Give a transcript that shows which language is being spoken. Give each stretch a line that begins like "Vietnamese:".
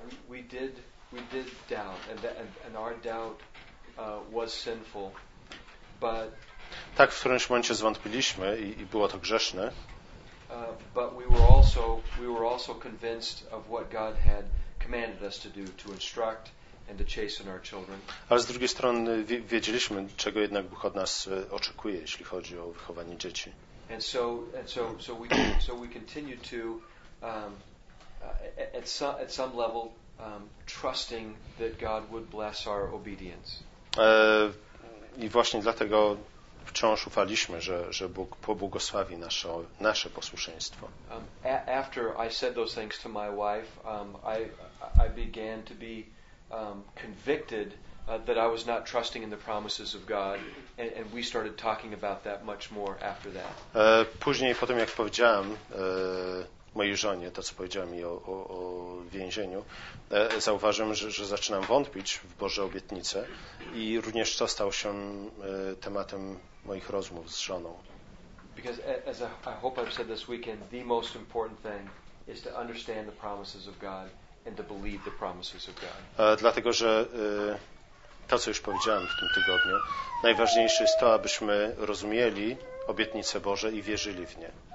English: We did doubt, and our doubt was sinful, but.
Polish: Tak, w którymś momencie zwątpiliśmy i było to grzeszne.
English: But we were also convinced of what God had commanded us to do, to instruct and to chasten our children.
Polish: Ale z drugiej strony wiedzieliśmy, czego jednak Bóg od nas oczekuje, jeśli chodzi o wychowanie dzieci.
English: And so we continue to at some level trusting that God would bless our obedience.
Polish: I właśnie dlatego wciąż ufaliśmy, że Bóg pobłogosławi nasze posłuszeństwo.
English: After I said those things to my wife, I began to be convicted that I was not trusting in the promises of God, and we started talking about that much more after that.
Polish: Później, potem jak powiedziałem mojej żonie to, co powiedziałem jej o więzieniu, zauważyłem, że zaczynam wątpić w Boże obietnice, i również to stało się tematem moich rozmów z żoną.
English: Because as I hope I've said this weekend, the most important thing is to understand the promises of God and to believe the promises of God.
Polish: Dlatego, że to, co już powiedziałem w tym tygodniu, najważniejsze jest to, abyśmy rozumieli obietnice Boże i wierzyli w nie.